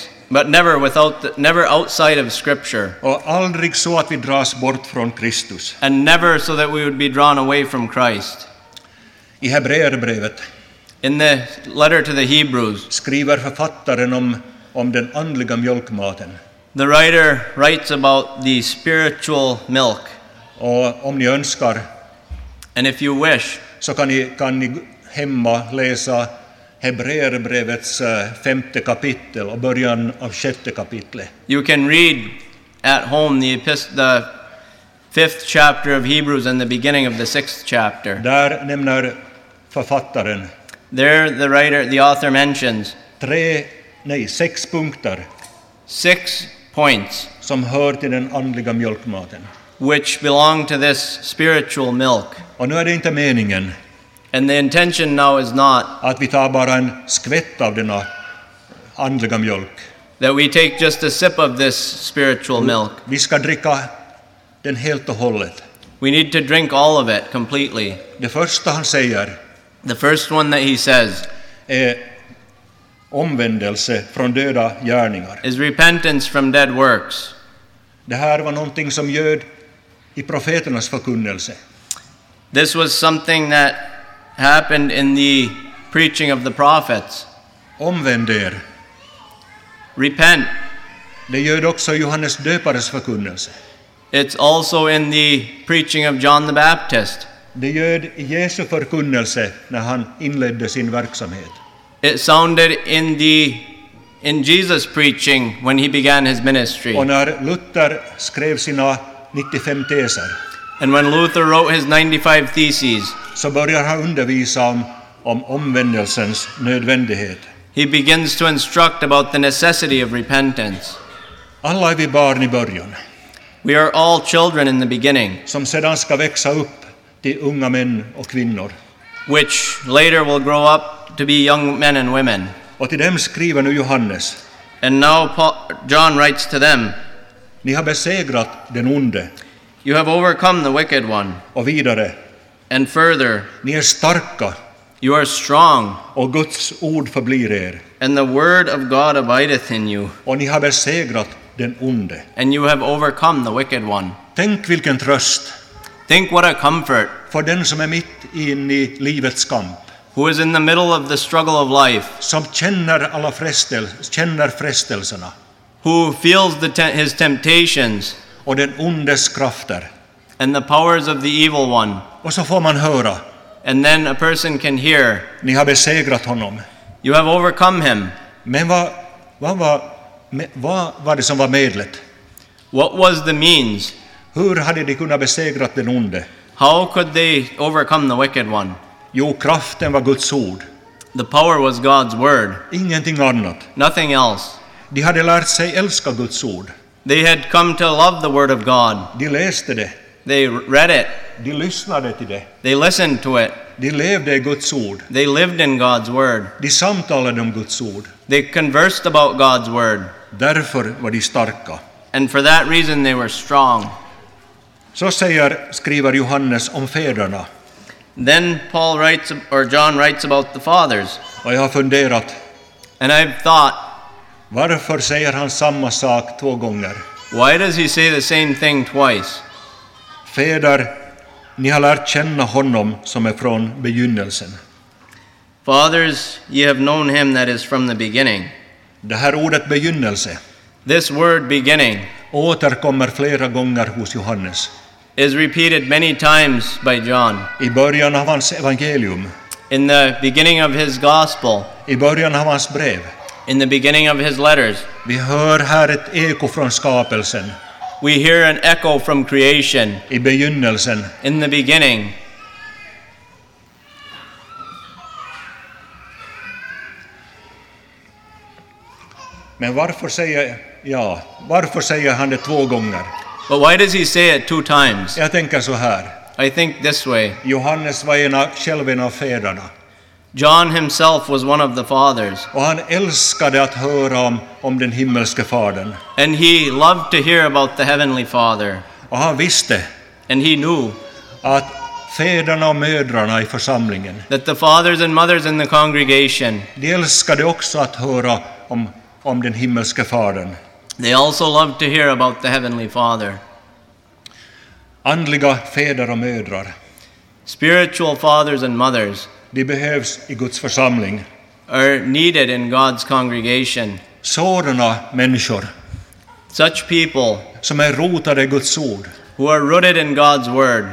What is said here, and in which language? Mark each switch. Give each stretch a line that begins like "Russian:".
English: But never outside of scripture.
Swedish: Och aldrig så att vi dras bort från Kristus.
English: And never so that we would be drawn away from Christ.
Swedish: I Hebreerbrevet.
English: In the letter to the Hebrews.
Swedish: Skriver författaren om den andliga mjölkmaten.
English: The writer writes about the spiritual milk.
Swedish: Och om ni önskar.
English: And if you wish.
Swedish: Så kan ni hemma läsa Hebreerbrevets femte kapitel och början av sjätte kapitlet.
English: You can read at home the fifth chapter of Hebrews and the beginning of the sixth chapter.
Swedish: Där nämner författaren.
English: There the writer, the author mentions.
Swedish: Sex punkter.
English: Six points.
Swedish: Som hör till den andliga mjölkmaten.
English: Which belong to this spiritual milk.
Swedish: Och nu är det inte meningen.
English: And the intention now is not
Swedish: att vi tar bara en skvätt av denna andliga mjölk.
English: that we take just a sip of this spiritual milk.
Swedish: Vi ska dricka den helt och hållet.
English: We need to drink all of it completely.
Swedish: Det första han säger,
English: the first one that he says,
Swedish: är omvändelse från döda gärningar.
English: Is repentance from dead works.
Swedish: Det här var någonting som göd i profeternas förkunnelse.
English: This was something that happened in the preaching of the prophets.
Swedish: Omvänd er.
English: Repent.
Swedish: Det gör också Johannes döparens förkunnelse.
English: It's also in the preaching of John the Baptist.
Swedish: Det gör Jesu förkunnelse när han inledde sin verksamhet.
English: It sounded in Jesus' preaching when he began his ministry.
Swedish: Och när Luther skrev sina 95 teser.
English: And when Luther wrote his 95 theses,
Swedish: så börjar han undervisa om omvändelsens nödvändighet.
English: He begins to instruct about the necessity of repentance.
Swedish: Alla är vi barn i början.
English: We are all children in the beginning.
Swedish: Som sedan ska växa upp till unga män och kvinnor.
English: Which later will grow up to be young men and women.
Swedish: Och till dem skriver nu Johannes.
English: And now John writes to them.
Swedish: Ni har besegrat den onde.
English: You have overcome the wicked one.
Swedish: Och vidare.
English: And further.
Swedish: Ni är starka.
English: You are strong.
Swedish: Och Guds ord förblir er.
English: And the word of God abideth in you.
Swedish: Och ni har besegrat den onde.
English: And you have overcome the wicked one.
Swedish: Tänk vilken tröst.
English: Think what a comfort.
Swedish: För den som är mitt in i livets kamp.
English: Who is in the middle of the struggle of life.
Swedish: Som känner alla känner frestelserna.
English: Who feels his temptations.
Swedish: Och den ondes krafter.
English: And the powers of the evil one.
Swedish: Och så får man höra.
English: And then a person can hear.
Swedish: Ni har besegrat honom.
English: You have overcome him.
Swedish: Men vad var det som var medlet?
English: What was the means?
Swedish: Hur hade de kunnat besegra den onde?
English: How could they overcome the wicked one?
Swedish: Jo, kraften var Guds ord.
English: The power was God's word.
Swedish: Ingenting annat.
English: Nothing else.
Swedish: De hade lärt sig älska Guds ord.
English: They had come to love the word of God.
Swedish: De läste det.
English: They read it.
Swedish: De lyssnade till det.
English: They listened to it.
Swedish: De levde i Guds ord.
English: They lived in God's word.
Swedish: De samtalade om Guds ord.
English: They conversed about God's word.
Swedish: Därför var de starka.
English: And for that reason they were strong.
Swedish: Så säger, skriver Johannes om fäderna.
English: Then Paul writes, or John writes about the fathers.
Swedish: Och jag har funderat.
English: And I've thought.
Swedish: Varför säger han samma sak två gånger?
English: Why does he say the same thing twice?
Swedish: Fäder, ni har lärt känna honom som är från begynnelsen.
English: Fathers, ye have known him that is from the beginning.
Swedish: Det här ordet begynnelse.
English: This word beginning.
Swedish: Återkommer flera gånger hos Johannes.
English: Is repeated many times by John.
Swedish: I början av hans evangelium.
English: In the beginning of his gospel.
Swedish: I början av hans brev.
English: In the beginning of his letters.
Swedish: Vi hör här ett eko från skapelsen.
English: We hear an echo from creation.
Swedish: I begynnelsen.
English: In the beginning.
Swedish: Men varför säger varför säger han det två gånger?
English: But why does he say it two times?
Swedish: Jag tänker så här.
English: I think this way.
Swedish: Johannes var en av fäderna.
English: John himself was one of the fathers.
Swedish: Och han älskade att höra om den himmelske fadern.
English: And he loved to hear about the heavenly father.
Swedish: Och han visste.
English: And he knew.
Swedish: Att fäderna och mödrarna i församlingen.
English: That the fathers and mothers in the congregation.
Swedish: De älskade också att höra om den himmelske fadern.
English: They also loved to hear about the heavenly father.
Swedish: Andliga fäder och mödrar.
English: Spiritual fathers and mothers.
Swedish: De behövs i Guds församling.
English: Are needed in God's congregation.
Swedish: Sådana människor.
English: Such people.
Swedish: Som är rotade i Guds ord.
English: Who are rooted in God's word.